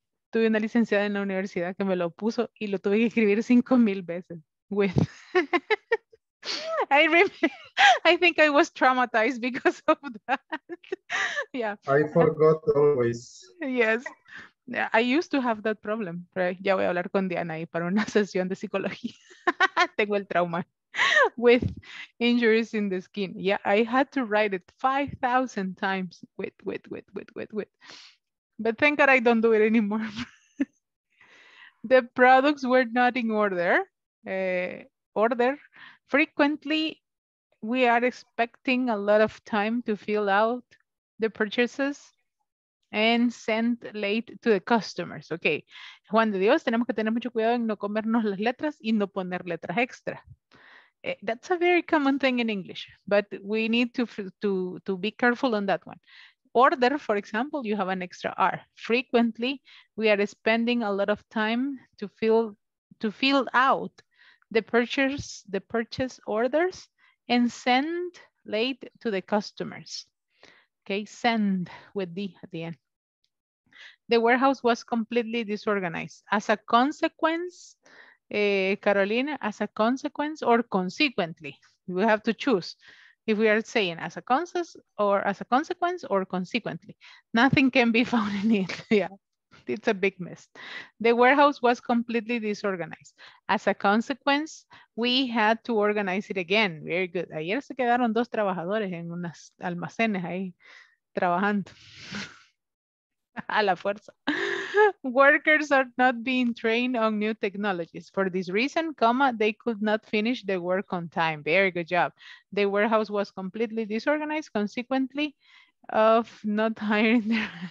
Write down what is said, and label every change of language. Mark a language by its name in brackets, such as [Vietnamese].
[Spanish] Tuve una licenciada en la universidad que me lo puso y lo tuve que escribir 5,000 veces. [English] With. I think I was traumatized because of that. Yeah. I forgot always. Yes. I used to have that problem. [Spanish] Ya voy a hablar con Diana ahí para una sesión de psicología. Tengo el trauma. [English] With injuries in the skin. Yeah, I had to write it 5,000 times. With. But thank God I don't do it anymore. The products were not in order. Order. Frequently, we are expecting a lot of time to fill out the purchases and send late to the customers. [Spanish] Okay, Juan de Dios, tenemos que tener mucho cuidado en no comernos las letras y no poner letras extra. [English] That's a very common thing in English, but we need to be careful on that one. Order, for example, you have an extra R. Frequently, we are spending a lot of time to fill out the purchase orders and send late to the customers. Okay, send with D at the end. The warehouse was completely disorganized. As a consequence, Carolina, as a consequence or consequently, we have to choose if we are saying as a consequence or consequently. Nothing can be found in it. Yeah. It's a big mess. The warehouse was completely disorganized. As a consequence, we had to organize it again. Very good. [Spanish] Ayer se quedaron dos trabajadores en unas almacenes ahí trabajando. A la fuerza. [English] Workers are not being trained on new technologies. For this reason, comma, they could not finish the work on time. Very good job. The warehouse was completely disorganized. Consequently, of not hiring their...